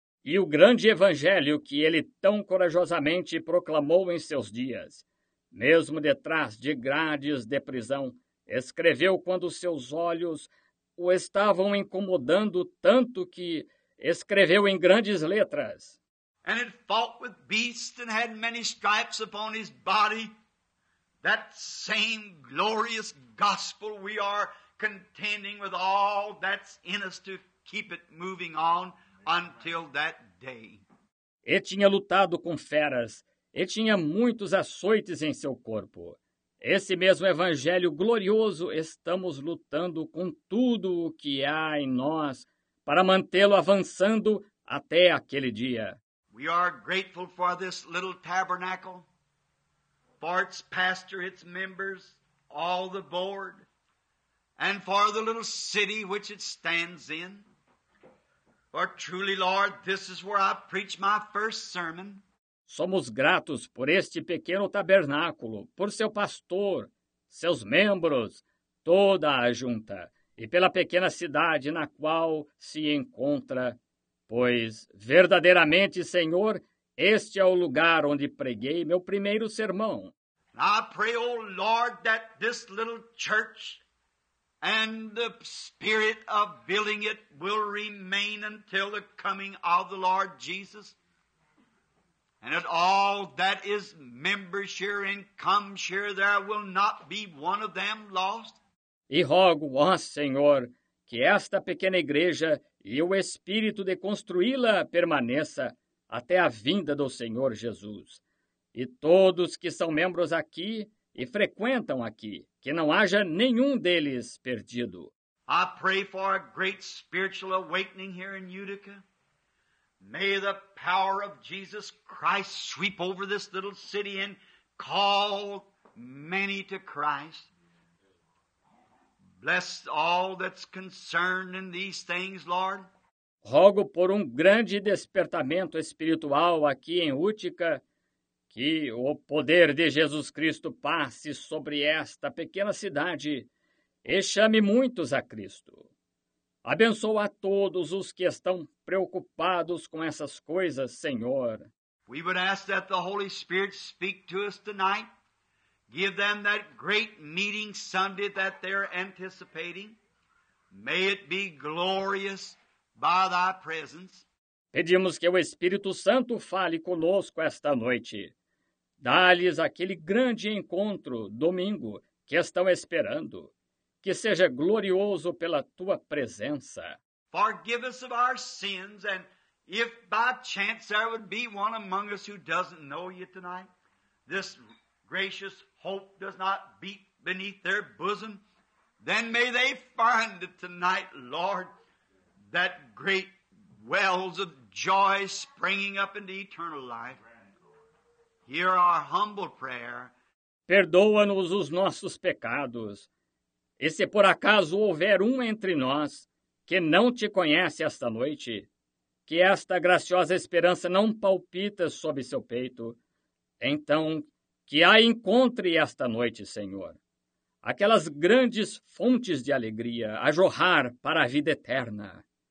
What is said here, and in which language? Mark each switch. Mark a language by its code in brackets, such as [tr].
[pt] E o grande evangelho que ele tão corajosamente proclamou em seus dias, mesmo detrás de grades de prisão, escreveu quando seus olhos o estavam incomodando tanto que escreveu em grandes letras. [en] And had fought with beasts and had many stripes upon his body. That same glorious gospel we are contending with all that's in us to keep it moving on until that day. [pt] E tinha lutado com feras, e tinha muitos açoites em seu corpo. Esse mesmo evangelho glorioso estamos lutando com tudo o que há em nós para mantê-lo avançando até aquele dia. [en] We are grateful for this little tabernacle, for its pastor, its members, all the board, and for the little city which it stands in. For truly, Lord, this is where I preach my first sermon. [pt] Somos gratos por este pequeno tabernáculo, por seu pastor, seus membros, toda a junta, e pela pequena cidade na qual se encontra. Pois, verdadeiramente, Senhor, este é o lugar onde preguei meu primeiro sermão. [en] I pray, O Lord, that this little church and the spirit of building it will remain until the coming of the Lord Jesus. And that all that is members here and comes here, there will not be one of them lost. [pt] E rogo, ó Senhor, que esta pequena igreja e o espírito de construí-la permaneça até a vinda do Senhor Jesus. E todos que são membros aqui e frequentam aqui, que não haja nenhum deles perdido. [en] I pray for a great spiritual awakening here in Utica. May the power of Jesus Christ sweep over this little city and call many to Christ. Bless all that's concerned in these things, Lord. [pt] Rogo por grande despertamento espiritual aqui em Utica, que o poder de Jesus Cristo passe sobre esta pequena cidade e chame muitos a Cristo. Abençoa a todos os que estão preocupados com essas coisas, Senhor. [en] We would ask that the Holy Spirit speak to us tonight. Give them that great meeting Sunday that they're anticipating. May it be glorious by thy presence. [pt] Pedimos que o Espírito Santo fale conosco esta noite. Dá-lhes aquele grande encontro, domingo, que estão esperando. Que seja glorioso pela tua presença. [en] Forgive us of our sins, and if by chance there would be one among us who doesn't know you tonight, this gracious hope does not beat beneath their bosom, then may they find it tonight, Lord, that great wells of joy springing up into eternal life. Hear our humble prayer. [pt] Perdoa-nos os nossos pecados. E se por acaso houver entre nós que não te conhece esta noite, que esta graciosa esperança não palpita sob seu peito, então que a encontre esta noite, Senhor, aquelas grandes fontes de alegria a jorrar para a vida eterna.